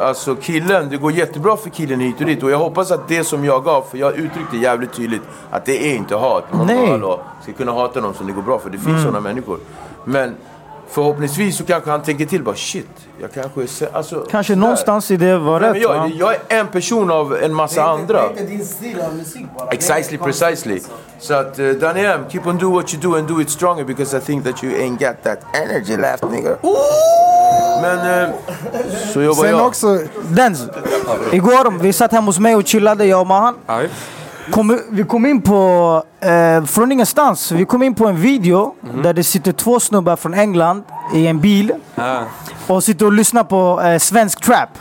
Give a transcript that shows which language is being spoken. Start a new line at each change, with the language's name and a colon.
Swedish: Alltså, killen, det går jättebra för killen hit och dit. Och jag hoppas att det som jag gav, för jag uttryckte jävligt tydligt att det är inte hat. Man ska kunna hata någon som det går bra för. Det finns sådana människor. Men förhoppningsvis så kanske han tänker till bara shit, jag kanske är se- alltså, kanske någonstans i det var rätt. Jag är en person av en massa andra. Det är inte din stil av musik bara.
English: Exactly, precisely.
Swedish: Så att
English: Daniel, keep on do what you do and do it stronger, because I think that you ain't got that energy left, nigga.
Swedish: Men så jobbar sen jag också. Dens, igår vi satt hemma hos mig och chillade, jag och Mahan. Vi kom in på från ingenstans. Vi kom in på en video där det sitter två snubbar från England i en bil och sitter och lyssnar på svensk trap.